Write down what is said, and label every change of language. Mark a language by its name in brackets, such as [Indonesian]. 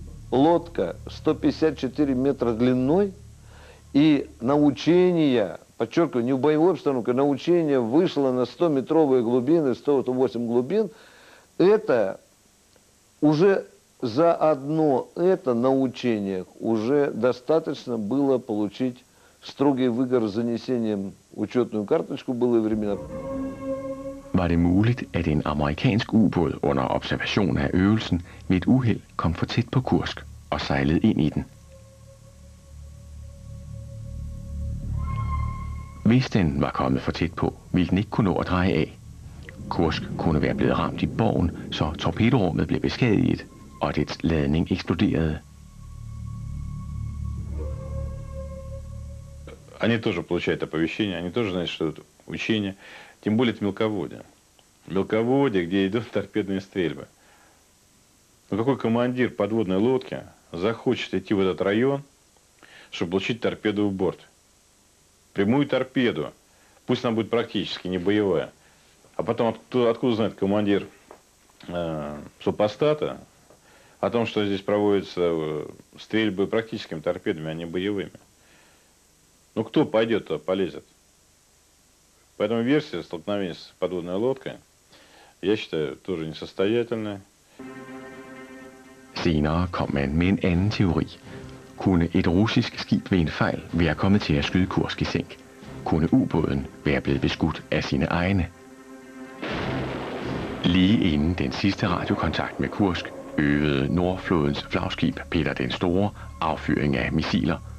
[Russian] Лодка 154 метра длиной, и на учение, подчеркиваю, не в боевой обстановке, на учение вышло на 100-метровые глубины, 108 глубин. Это уже за одно это на учениях уже достаточно было получить строгий выговор с занесением учетную карточку в былые времена. [Danish] Var det muligt, at en amerikansk ubåd under observation af øvelsen med et uheld kom for tæt på Kursk og sejlede ind i den? Hvis den var kommet for tæt på, ville den ikke kunne nå at dreje af. Kursk kunne være blevet ramt i borgen, så torpedorummet blev beskadiget, og dets ladning eksploderede. [Russian] Они тоже получают оповещение, они тоже знают, что это учение. Тем более это мелководье. Мелководье, где идут торпедные стрельбы. Но какой командир подводной лодки захочет идти в этот район, чтобы получить торпеду в борт? Прямую торпеду. Пусть она будет практически не боевая. А потом откуда знает командир супостата о том, что здесь проводятся стрельбы практическими торпедами, а не боевыми? Ну кто пойдет, то полезет. Поэтому версия столкновения с подводной лодкой, я считаю, тоже несостоятельная. [Danish] Senere kom man med en anden teori. Kunne et russisk skib ved en fejl være kommet til at skyde Kursk i sænk? Kunne ubåden være blevet beskudt af sine egne? Lige inden den sidste radiokontakt med Kursk øvede Nordflådens flagskib Peter den Store affyring af missiler.